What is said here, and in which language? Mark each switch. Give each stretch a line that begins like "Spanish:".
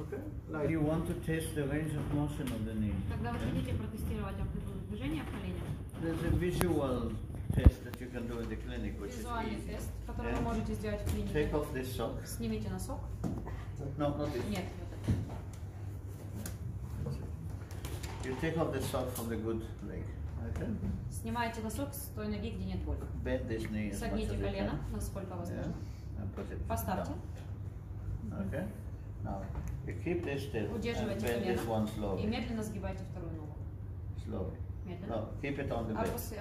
English: Okay. You want to test the range of motion of the knee.
Russian: Когда вы хотите протестировать амплитуду движения в колене?
English: There's a visual test that you can do in the clinic, which is easy.
Russian: Визуальный тест, который вы можете сделать в клинике.
English: Take off this sock.
Russian: Снимите носок.
English: No, not this.
Russian: Нет.
English: You take off the sock from the good leg.
Russian: Снимайте носок с той ноги, где нет боли. Согните колено, насколько возможно. Поставьте.
English: Okay. Now, you keep this still.
Russian: Удерживайте
English: and
Russian: колено.
English: This one slowly.
Russian: И медленно сгибайте вторую ногу.
English: Slowly.
Russian: Медленно.
English: No, keep it on the bed.